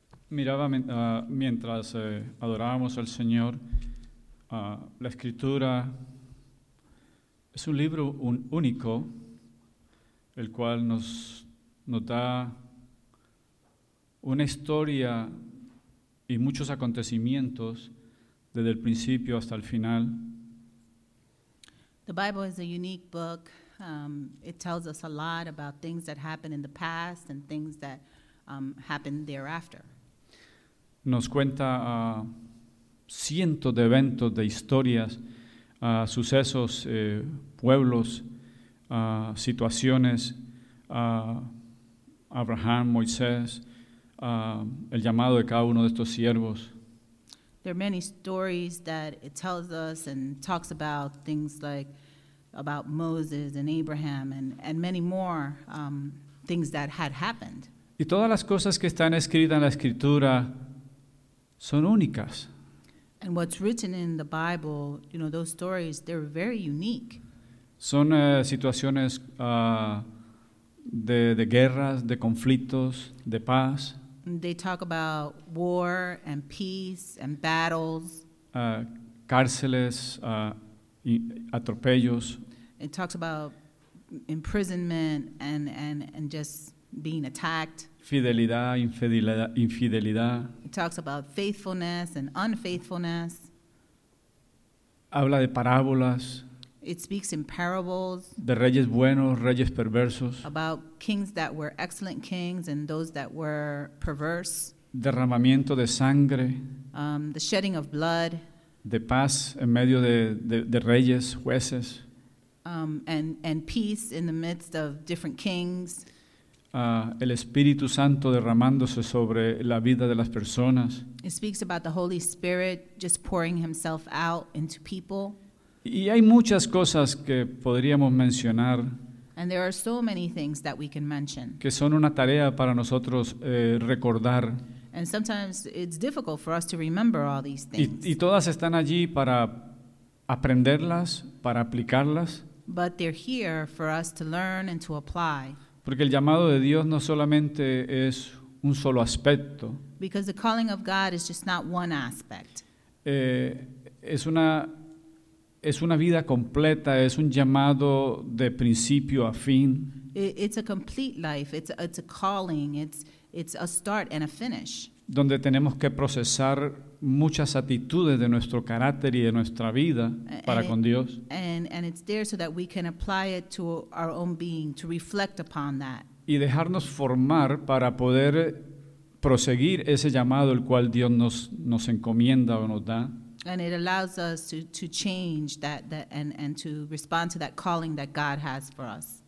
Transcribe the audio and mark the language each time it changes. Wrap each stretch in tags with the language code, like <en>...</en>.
<es>Miraba mientras adorábamos al Señor, la Escritura es un libro único, el cual nos da una historia y muchos acontecimientos desde el principio hasta el final.</es> <en>The Bible is a unique book. It tells us a lot about things that happened in the past and things that happened thereafter.</en> <es>Nos cuenta cientos de eventos, de historias, sucesos, pueblos, situaciones, Abraham, Moisés, el llamado de cada uno de estos siervos.</es> <en>There are many stories that it tells us and talks about things like about Moses and Abraham and many more things that had happened.</en> <es>Y todas las cosas que están escritas en la Escritura son únicas.</es> <en>And what's written in the Bible, you know, those stories, they're very unique.</en> <es>Son situaciones de guerras, de conflictos, de paz.</es> <en>They talk about war and peace and battles.</en> <es>Cárceles, atropellos.</es> <en>It talks about imprisonment and just being attacked.</en> <es>Fidelidad, infidelidad.</es> <en>It talks about faithfulness and unfaithfulness.</en> <es>Habla de parábolas.</es> <en>It speaks in parables.</en> <es>De reyes buenos, reyes perversos.</es> <en>About kings that were excellent kings and those that were perverse.</en> <es>Derramamiento de sangre.</es> <en>The shedding of blood.</en> <es>De paz en medio de reyes, jueces.</es> <en>And peace in the midst of different kings.</en> <es>El Espíritu Santo derramándose sobre la vida de las personas.</es> <en>It speaks about the Holy Spirit just pouring himself out into people.</en> <es>Y hay muchas cosas que podríamos mencionar.</es> <en>And there are so many things that we can mention.</en> <es>Que son una tarea para nosotros recordar.</es> <en>And sometimes it's difficult for us to remember all these things.</en> <es>Y todas están allí para aprenderlas, para aplicarlas.</es> <en>But they're here for us to learn and to apply.</en> <es>Porque el llamado de Dios no solamente es un solo aspecto.</es> <en>Because the calling of God is just not one aspect.</en> <es>Es una vida completa, es un llamado de principio a fin.</es> <en>It's a complete life. It's a calling. It's a start and a finish.</en> <es>donde tenemos que procesar muchas actitudes de nuestro carácter y de nuestra vida para con Dios.</es> <en>And it's there so that we can apply it to our own being, to reflect upon that.</en> <es>Y dejarnos formar para poder proseguir ese llamado el cual Dios nos encomienda o nos da.</es> <en>And it allows us to change that and to respond to that calling that God has for us.</en>